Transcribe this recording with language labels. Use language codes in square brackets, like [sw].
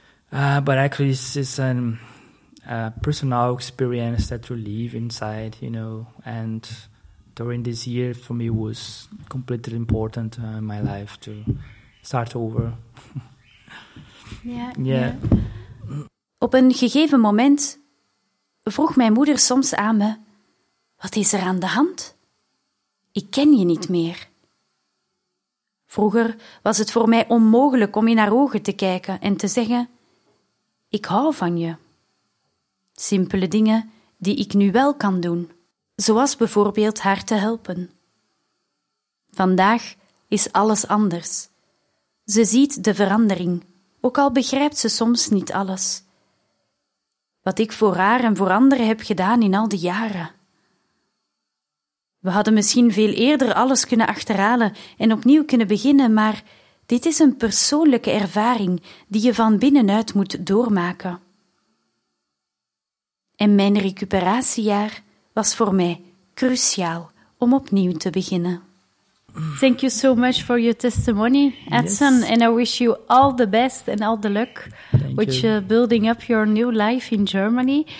[en] But actually, it's an personal experience that you live inside, you know, and during this year for me was completely important in my life to start over. Yeah. [nl] Op een gegeven moment vroeg mijn moeder soms aan me, wat is er aan de hand? ik ken je niet meer. Vroeger was het voor mij onmogelijk om in haar ogen te kijken en te zeggen, ik hou van je. Simpele dingen die ik nu wel kan doen, zoals bijvoorbeeld haar te helpen. Vandaag is alles anders. Ze ziet de verandering, ook al begrijpt ze soms niet alles. Wat ik voor haar en voor anderen heb gedaan in al die jaren. We hadden misschien veel eerder alles kunnen achterhalen en opnieuw kunnen beginnen, maar dit is een persoonlijke ervaring die je van binnenuit moet doormaken. En mijn recuperatiejaar was voor mij cruciaal om opnieuw te beginnen. [en] Thank you so much for your testimony, Edson. Yes. And I wish you all the best and all the luck building up your new life in Germany.